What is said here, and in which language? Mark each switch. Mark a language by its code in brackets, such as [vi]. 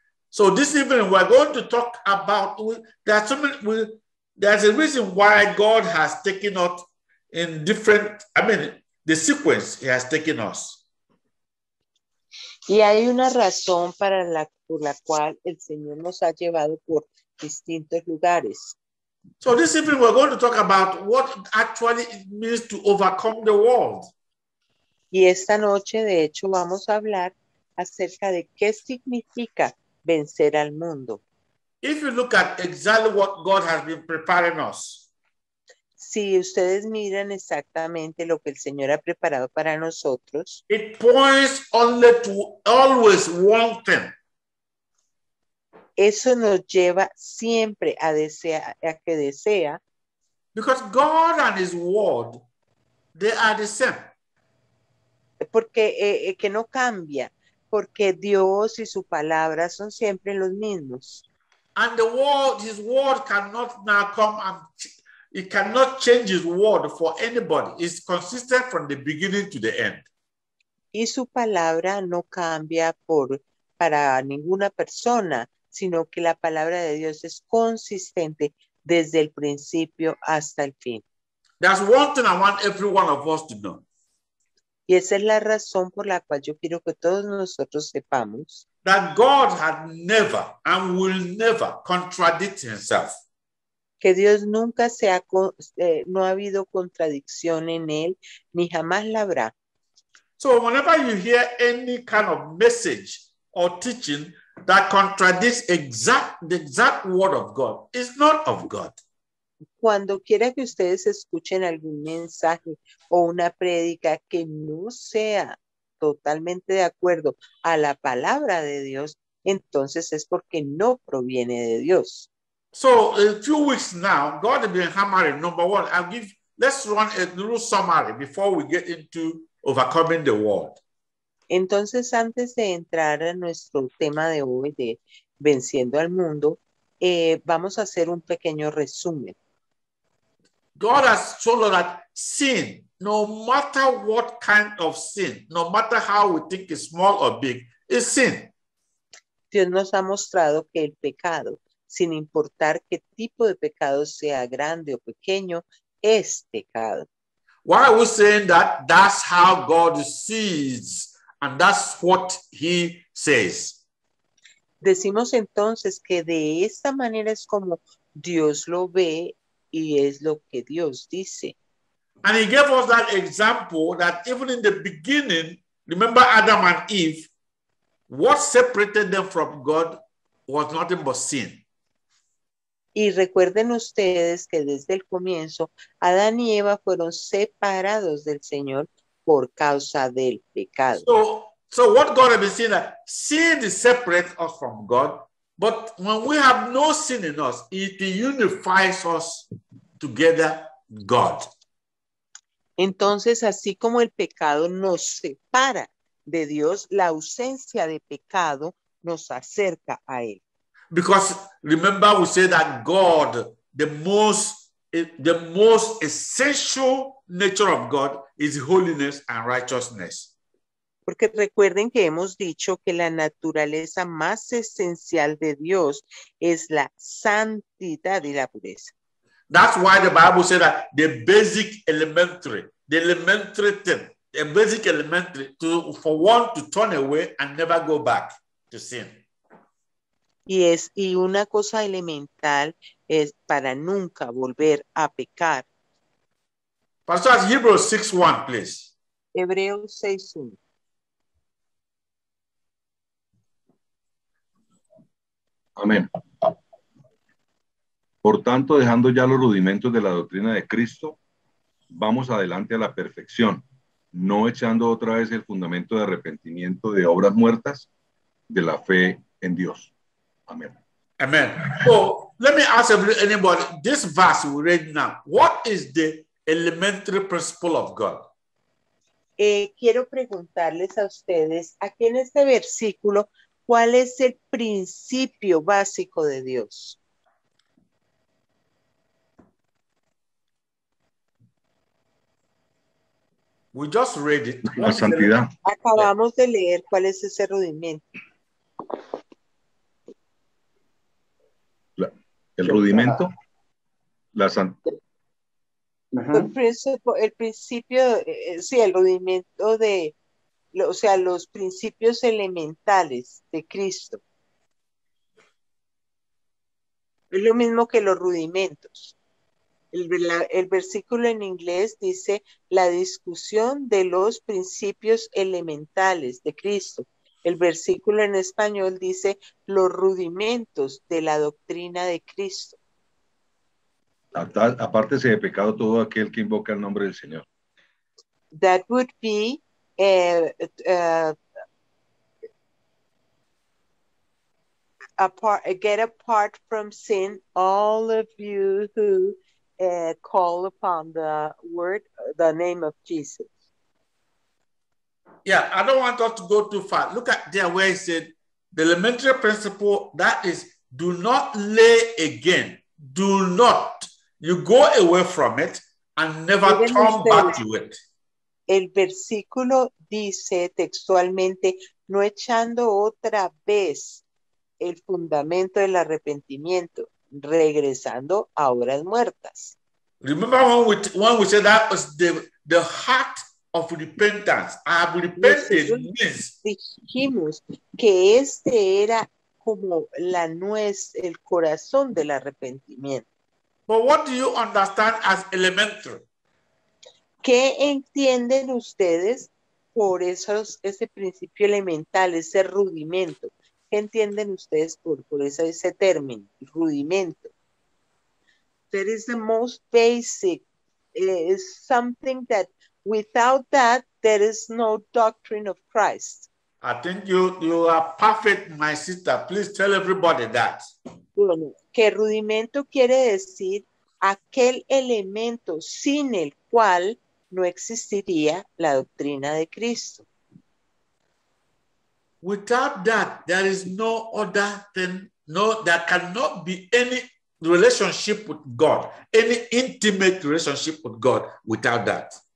[en] So this evening we're going to talk about there's a reason why God has taken us in different, the sequence he has taken us. [es] Y hay una razón para la, por la cual el Señor nos ha llevado por distintos lugares. [en] So this evening we're going to talk about what actually it means to overcome the world. [es] Y esta noche, de hecho, vamos a hablar acerca de qué significa vencer al mundo. [en] If you look at exactly what God has been preparing us. [es] Si ustedes miran exactamente lo que el Señor ha preparado para nosotros. [en] It points only to always one thing. [es] Eso nos lleva siempre a desear, a que desea. [en] Because God and his word, they are the same. [es] Porque que no cambia, porque Dios y su palabra son siempre los mismos. [en] And the word, his word cannot now come and it cannot change his word for anybody. It's consistent from the beginning to the end. [es] Y su palabra no cambia por para ninguna persona, sino que la palabra de Dios es consistente desde el principio hasta el fin. [en] That's one thing I want every one of us to know. [es] Y esa es la razón por la cual yo quiero que todos nosotros sepamos [en] that God had never and will never contradict himself. [es] Que Dios nunca se ha, no ha habido contradicción en él, ni jamás la habrá. [en] So whenever you hear any kind of message or teaching that contradicts the exact word of God, it's not of God. [es] Cuando quiera que ustedes escuchen algún mensaje o una prédica que no sea totalmente de acuerdo a la palabra de Dios, entonces es porque no proviene de Dios. [en] So, a few weeks now, God has been hammering, number one, let's run a little summary before we get into overcoming the world. [es] Entonces, antes de entrar a nuestro tema de hoy de venciendo al mundo, vamos a hacer un pequeño resumen. [en] God has told us that sin, no matter what kind of sin, no matter how we think it's small or big, is sin. [es] Dios nos ha mostrado que el pecado, sin importar qué tipo de pecado sea grande o pequeño, es pecado. [en] Why are we saying that? That's how God sees and that's what he says. [es] Decimos entonces que de esta manera es como Dios lo ve y es lo que Dios dice. [en] And he gave us that example that even in the beginning, remember Adam and Eve, what separated them from God was nothing but sin. [es] Y recuerden ustedes que desde el comienzo, Adán y Eva fueron separados del Señor por causa del pecado. [en] So what God has been saying, that sin separates us from God. But when we have no sin in us, it unifies us together, God. [es] Entonces, así como el pecado nos separa de Dios, la ausencia de pecado nos acerca a él. [en] Because remember, we say that God, the most essential nature of God is holiness and righteousness. [es] Porque recuerden que hemos dicho que la naturaleza más esencial de Dios es la santidad y la pureza. [en] That's why the Bible says that the basic elementary to for one to turn away and never go back to sin. Yes, [es] y una cosa elemental es para nunca volver a pecar. [en] Pastor, Hebrews 6:1, please. [es] Hebreos 6:1. Amén. Por tanto, dejando ya los rudimentos de la doctrina de Cristo, vamos adelante a la perfección, no echando otra vez el fundamento de arrepentimiento de obras muertas de la fe en Dios. Amén. Amén. [en] So, let me ask anybody, this verse we read now, what is the elementary principle of God? [es] Quiero preguntarles a ustedes, aquí en este versículo, ¿cuál es el principio básico de Dios? [en] We just read it. [es] La santidad. Acabamos de leer cuál es ese rudimento. El rudimento, la el principio, sí, el rudimento de, o sea, los principios elementales de Cristo. Es lo mismo que los rudimentos. El versículo en inglés dice la discusión de los principios elementales de Cristo. El versículo en español dice los rudimentos de la doctrina de Cristo. Apártese de pecado todo aquel que invoca el nombre del Señor. [en] That would be get apart from sin, all of you who call upon the word, the name of Jesus. Yeah, I don't want us to go too far. Look at there where he said, the elementary principle, that is, do not lay again. Do not. You go away from it and never turn back to it. [es] El versículo dice textualmente, no echando otra vez el fundamento del arrepentimiento, regresando a obras muertas. [en] Remember when we said that was the heart of repentance. I have repented. Yes. [es] Dijimos que este era como la nuez, el corazón del arrepentimiento. [en] But what do you understand as elementary? [es] ¿Qué entienden ustedes por ese principio elemental, ese rudimento? ¿Qué entienden ustedes por ese término, rudimento? [en] That is the most basic. It is something that without that, there is no doctrine of Christ. I think you are perfect, my sister. Please tell everybody that. [es] Bueno, que rudimento quiere decir aquel elemento sin el cual no existiría la doctrina de Cristo. [en] Without that, there is no other thing. No, there cannot be any relationship with God, any intimate relationship with God without that.